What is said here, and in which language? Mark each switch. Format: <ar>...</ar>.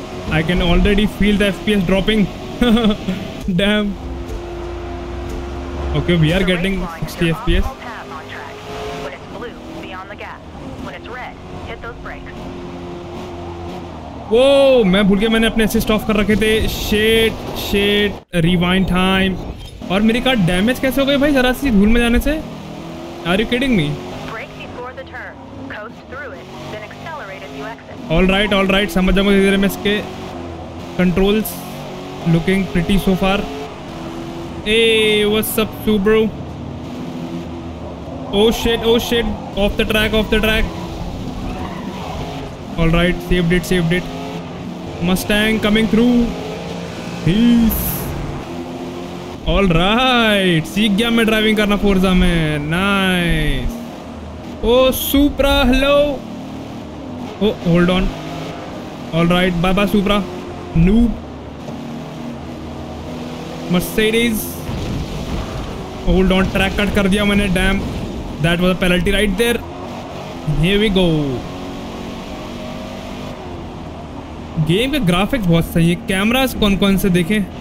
<en>I can already feel the FPS dropping. Damn. Okay, we are getting 60 FPS. When it's blue, be on the gas. When it's red, hit those brakes.</en> <hi>Whoa, मैं भूल गया, मैंने अपने assist off कर रखे थे.</hi> <en>Shit. Rewind time.</en> <hi>और मेरी कार डैमेज कैसे हो गई भाई, जरा सी धूल में जाने से?</hi> <en>Are you kidding me? Brake before the turn, coast through it, then accelerate as you exit. All right,</en> <hi>समझ जाऊंगा धीरे धीरे मैं इसके controls.</hi> <en>Looking pretty so far. Hey, what's up, two bro? Oh shit, off the track. All right, saved it. Mustang coming through. Peace. All right,</en> <hi>सीख गया मैं driving करना Forza में।</hi> <en>Nice. Oh, Supra, hello. Oh, hold on. All right, bye bye Supra. Noob. Mercedes. Hold on, track cut</en> <hi>कर दिया मैंने,</hi> <en>damn. That was a penalty right there. Here we go.</en> <hi>Game के graphics बहुत सही है। Cameras कौन कौन से देखें?</hi>